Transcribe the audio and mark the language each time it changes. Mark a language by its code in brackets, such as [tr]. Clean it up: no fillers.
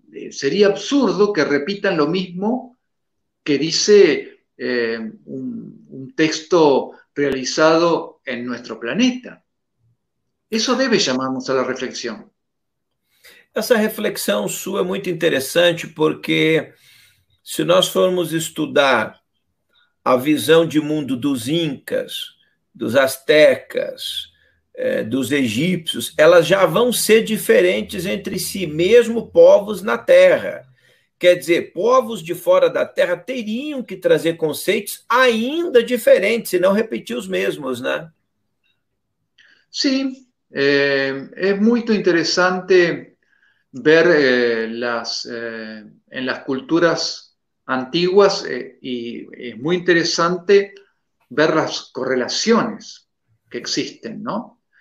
[es] Sería absurdo que repitan lo mismo que dice un texto realizado en nuestro planeta. Eso debe llamarnos a la reflexión. [pt] Essa reflexão sua é muito interessante porque, se nós formos estudar a visão de mundo dos incas, dos astecas, dos egípcios, elas já vão ser diferentes entre si, mesmo povos na Terra. Quer dizer, povos de fora da Terra teriam que trazer conceitos ainda diferentes, se não repetir os mesmos, né? [es] Sí, Es muy interesante ver en las culturas antiguas y es muy interesante ver las correlaciones que existen, ¿no?